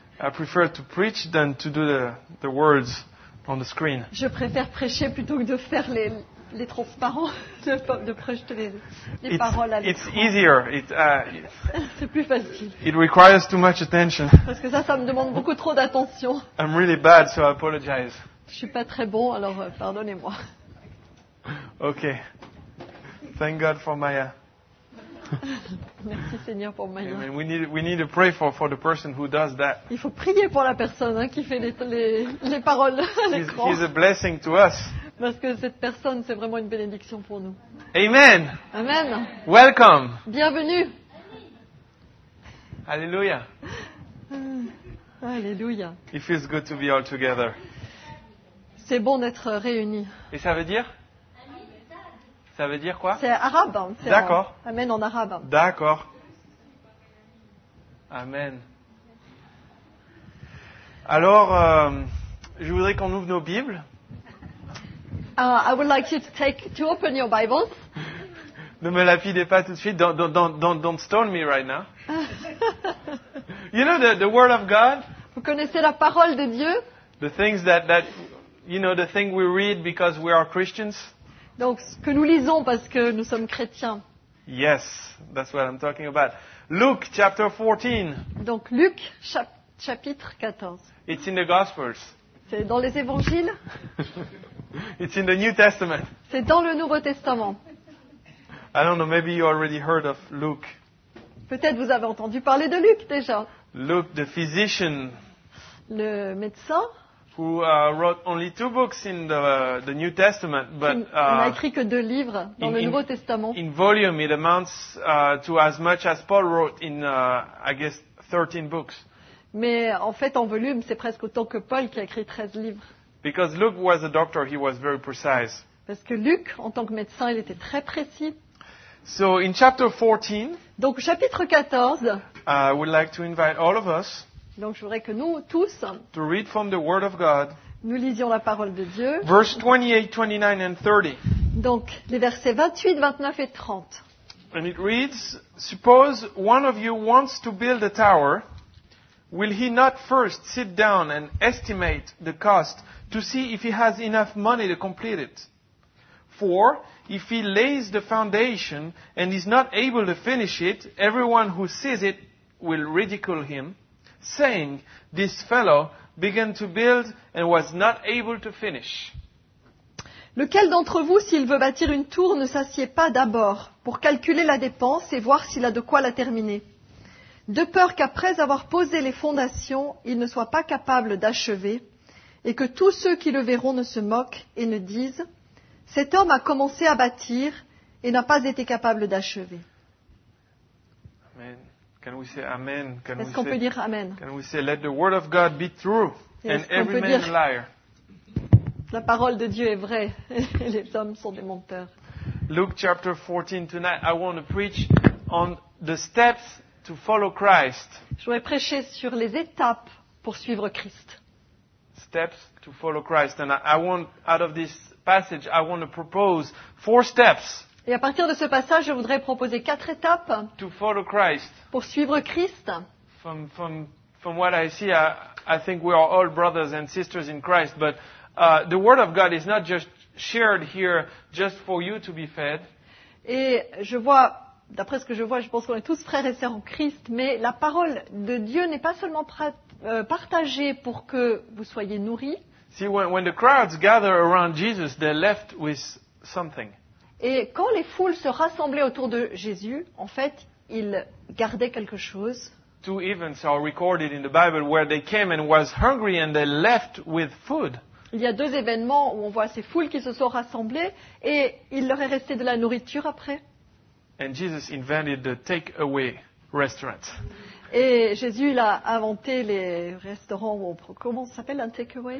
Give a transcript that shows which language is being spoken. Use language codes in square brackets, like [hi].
[en] I prefer to preach than to do the words on the screen. [fr] Je préfère prêcher plutôt que de faire les transparents, de prêcher les paroles à l'écran. [en] It's easier. [fr] C'est plus facile. [en] It requires too much attention. [fr] Parce que ça me demande beaucoup trop d'attention. [en] I'm really bad, so I apologize. [fr] Je suis pas très bon, alors pardonnez-moi. [en] Okay. Thank God for Maya. [fr] Merci Seigneur pour Maya. Amen. [en] We need to pray for the person who does that. [fr] Il faut prier pour la personne qui fait les paroles à l'écran. [en] He's a blessing to us. [fr] Parce que cette personne, c'est vraiment une bénédiction pour nous. Amen. Amen. [en] Welcome. [fr] Bienvenue. Alléluia. Alléluia. [en] It feels good to be all together. [fr] C'est bon d'être réunis. Et ça veut dire? Ça veut dire quoi? C'est arabe. Hein, c'est d'accord. Amen en arabe. D'accord. Amen. Alors, je voudrais qu'on ouvre nos Bibles. [en] I would like you to open your Bibles. [fr] Ne me lapidez pas tout de suite. [en] Don't stone me right now. You know the word of God? [fr] Vous connaissez la parole de Dieu? [en] The things that you know, the thing we read because we are Christians. [fr] Donc, ce que nous lisons parce que nous sommes chrétiens. [en] Yes, that's what I'm talking about. Luke chapter 14. [fr] Donc, Luc chapitre 14. [en] It's in the Gospels. [fr] C'est dans les Évangiles. [en] It's in the New Testament. [fr] C'est dans le Nouveau Testament. [en] I don't know, maybe you already heard of Luke. [fr] Peut-être vous avez entendu parler de Luc déjà. [en] Luke, the physician. [fr] Le médecin. [en] Who wrote only two books in the New Testament, but [fr] il n'a écrit que deux livres dans le Nouveau Testament. [en] In volume, it amounts to as much as Paul wrote in, I guess, 13 books. [fr] Mais en fait, en volume, c'est presque autant que Paul qui a écrit 13 livres. [en] Because Luke was a doctor, he was very precise. [fr] Parce que Luc, en tant que médecin, il était très précis. [en] So in chapter 14. [fr] Donc chapitre 14. [en] I would like to invite all of us. [fr] Donc, je voudrais que nous tous, [en] to read from the word of God, [fr] nous lisions la parole de Dieu. [en] Verse 28, 29 and 30. [fr] Donc, les versets 28, 29 et 30. [en] And it reads, suppose one of you wants to build a tower, will he not first sit down and estimate the cost to see if he has enough money to complete it? For if he lays the foundation and is not able to finish it, everyone who sees it will ridicule him. Saying, this fellow began to build and was not able to finish. [fr] Lequel d'entre vous, s'il veut bâtir une tour, ne s'assied pas d'abord pour calculer la dépense et voir s'il a de quoi la terminer? De peur qu'après avoir posé les fondations, il ne soit pas capable d'achever et que tous ceux qui le verront ne se moquent et ne disent, cet homme a commencé à bâtir et n'a pas été capable d'achever. [en] Can we say amen? Can [fr] Est-ce [en] we [fr] qu'on [en] say, [fr] peut dire amen? [en] Can we say let the word of God be true and every man a liar? [fr] La parole de Dieu est vraie et les hommes sont des menteurs. [en] Luke chapter 14 tonight I want to preach on the steps to follow Christ. [fr] Je voudrais prêcher sur les étapes pour suivre Christ. [en] Steps to follow Christ and I want out of this passage I want to propose four steps. [fr] Et à partir de ce passage, je voudrais proposer quatre étapes [en] to follow Christ [fr] pour suivre Christ [en] from from what I see, I think we are all brothers and sisters in Christ. But the word of God is not just shared here just for you to be fed. [fr] Et je vois, d'après ce que je vois, je pense qu'on est tous frères et sœurs en Christ, mais la parole de Dieu n'est pas seulement partagée pour que vous soyez nourris. [en] See, when the crowds gather around Jesus, they're left with something. [fr] Et quand les foules se rassemblaient autour de Jésus, en fait, ils gardaient quelque chose. [en] Two events are recorded in the Bible where they came and was hungry and they left with food. [fr] Il y a deux événements où on voit ces foules qui se sont rassemblées et il leur est resté de la nourriture après. [en] And Jesus invented the take-away restaurant. [fr] Et Jésus il a inventé les restaurants où on prend, comment ça s'appelle, un take-away?